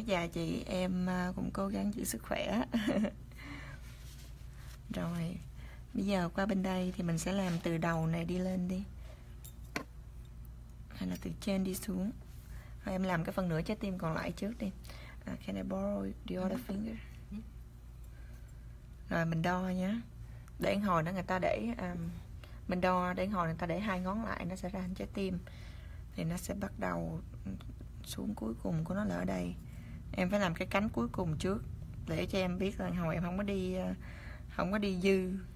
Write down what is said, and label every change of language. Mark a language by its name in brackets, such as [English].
[Vietnamese] Dạ chị, em cũng cố gắng giữ sức khỏe. Rồi, bây giờ qua bên đây thì mình sẽ làm từ đầu này đi lên đi. Hay là từ trên đi xuống. Thôi em làm cái phần nửa trái tim còn lại trước đi. [English] Can I borrow the other finger? [Vietnamese] Rồi mình đo nhé. Để hồi đó người ta để mình đo để hồi người ta để hai ngón lại nó sẽ ra hình trái tim. Thì nó sẽ bắt đầu xuống cuối cùng của nó là ở đây. Em phải làm cái cánh cuối cùng trước để cho em biết là hồi em không có đi dư.